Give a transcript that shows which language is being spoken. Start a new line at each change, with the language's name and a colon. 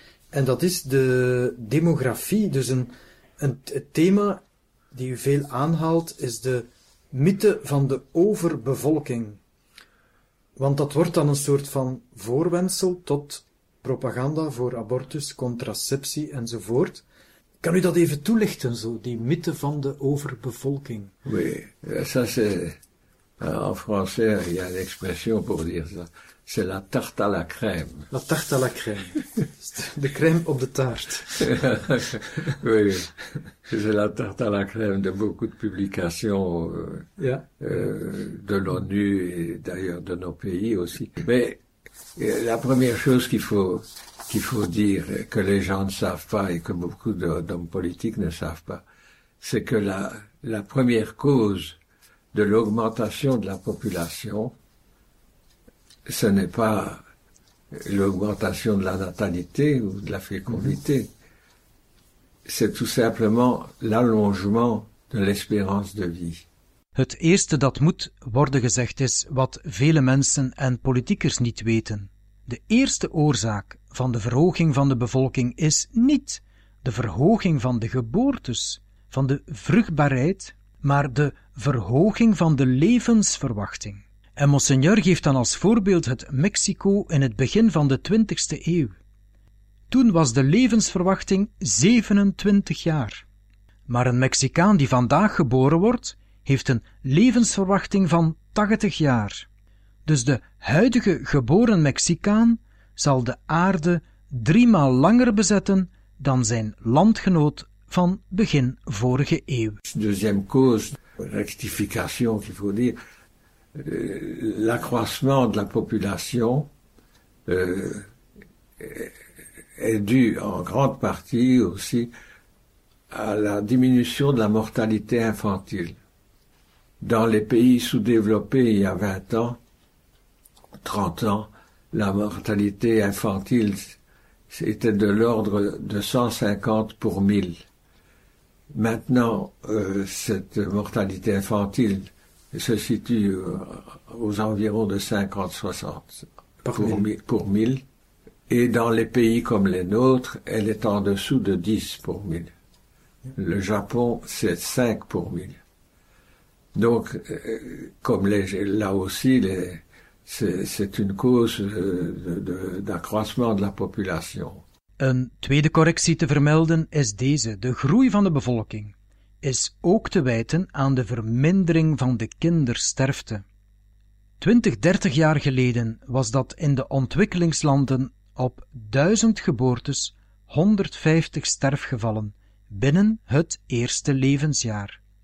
Dutch: En dat is de demografie. Dus het thema die u veel aanhaalt is de mythe van de overbevolking. Want dat wordt dan een soort van voorwendsel tot propaganda voor abortus, contraceptie enzovoort. Kan u dat even toelichten, zo, die mythe van de overbevolking?
French: Oui, ça c'est, en français, il y a une expression pour dire ça, c'est la tarte à la crème. La tarte à la crème,
Dutch: de crème op de taart.
French: Oui, c'est la tarte à la crème de beaucoup de publications de l'ONU et d'ailleurs de nos pays aussi. Mais la première chose qu'il faut dire, que les gens ne savent pas et que beaucoup d'hommes politiques ne savent pas, c'est que la première cause de l'augmentation de la population, ce n'est pas l'augmentation de la natalité ou de la fécondité, c'est tout simplement l'allongement de l'espérance de vie.
Dutch: Het eerste dat moet worden gezegd is wat vele mensen en politiekers niet weten. De eerste oorzaak van de verhoging van de bevolking is niet de verhoging van de geboortes, van de vruchtbaarheid, maar de verhoging van de levensverwachting. En Monseigneur geeft dan als voorbeeld het Mexico in het begin van de 20e eeuw. Toen was de levensverwachting 27 jaar. Maar een Mexicaan die vandaag geboren wordt, heeft een levensverwachting van 80 jaar. Dus de huidige geboren Mexicaan zal de aarde 3 maal langer bezetten dan zijn landgenoot van begin vorige eeuw.
French: Deuxième cause, rectification, qu'il faut dire, l'accroissement de la population est dû en grande partie aussi à la diminution de la mortalité infantile. Dans les pays sous-développés il y a 20 ans, 30 ans, la mortalité infantile était de l'ordre de 150 pour 1000. Maintenant, cette mortalité infantile se situe aux environs de 50-60 pour 1000. Et dans les pays comme les nôtres, elle est en dessous de 10 pour 1000. Le Japon, c'est 5 pour 1000. Donc, comme là aussi, c'est une cause d'accroissement de la population.
Dutch: Een tweede correctie te vermelden is deze. De groei van de bevolking is ook te wijten aan de vermindering van de kindersterfte. 20-30 jaar geleden was dat in de ontwikkelingslanden op 1000 geboortes 150 sterfgevallen binnen het eerste levensjaar.